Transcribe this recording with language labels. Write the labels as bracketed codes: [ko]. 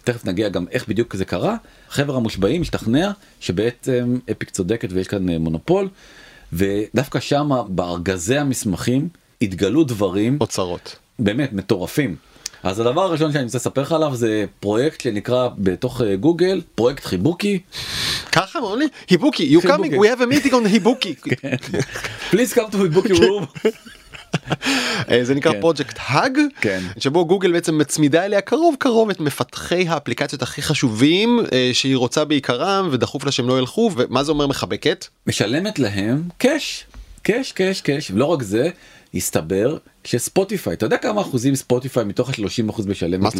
[he] תכף נגיע גם איך בדיוק זה קרה. חבר המושבעים השתכנע שבעצם אפיק צודקת ויש כאן מונופול. ודווקא שמה בארגזי המסמכים התגלו דברים. אוצרות. באמת, מטורפים. אז הדבר הראשון שאני רוצה לספר לך עליו זה פרויקט שנקרא בתוך גוגל, פרויקט חיבוקי. ככה, אומרים לי, [en] היבוקי, you coming, we have a meeting on היבוקי. Please come to היבוקי room. [he] זה נקרא פרויקט הג, שבו גוגל בעצם מצמידה אליה קרוב קרוב את מפתחי האפליקציות הכי חשובים שהיא רוצה בעיקרם, ודחוף לה שהם לא ילכו, ומה זה אומר מחבקת? משלמת להם קש, קש, קש, קש, ולא רק זה, הסתבר שספוטיפיי, אתה יודע כמה אחוזים ספוטיפיי מתוך ה-30% משלמת?